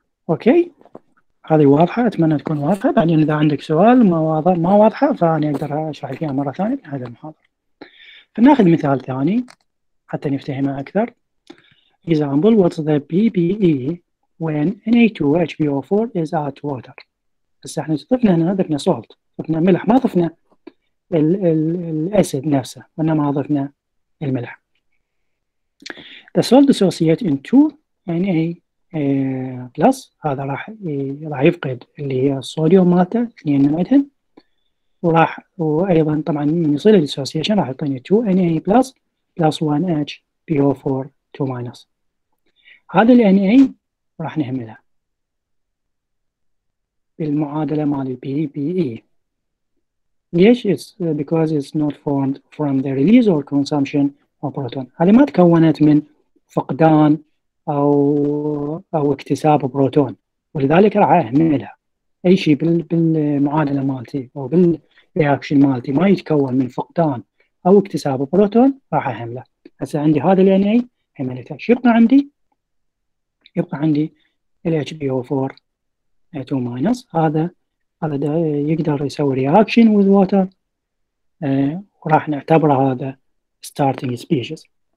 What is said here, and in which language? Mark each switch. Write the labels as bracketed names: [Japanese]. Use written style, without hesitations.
[Arabic] اوكي هذه واضحه، اتمنى تكون واضحه. بعدين اذا عندك سؤال ما واضحه فاني اقدر اشرح فيها مره ثانيه في هذا المحاضره. فناخذ مثال ثاني حتى نفتهمها اكثر. [English] Example, what's the PPE when Na2HBO4 is at water. [Arabic] بس احنا ضفنا هنا ضفنا salt، ضفنا ملح، ما ضفنا الاسيد نفسه، وانما ضفنا الملح. [English] The salt dissociates in 2 Na plus، [Arabic] هذا راح يفقد اللي هي الصوديوم مالته 2 من عندهم، وراح وايضا طبعا من يصير الديسوسيشن راح يعطيني 2 Na plus plus 1HBO4 2 minus. هذا ال Na راح نهملها بالمعادلة مال ال PPE. ليش؟ [English] it's because it's not formed from the release or consumption of proton. [Arabic] هذه ما تكونت من فقدان أو اكتساب بروتون، ولذلك راح أهملها. أي شيء بالمعادلة مالتي أو بالرياكشن مالتي ما يتكون من فقدان أو اكتساب بروتون راح أهمله. هسه عندي هذا ال Na هملته، شو يبقى عندي؟ يبقى عندي ال HBO4 2 minus، هذا يقدر يسوي [English] reaction with water، [Arabic] وراح نعتبره هذا starting species.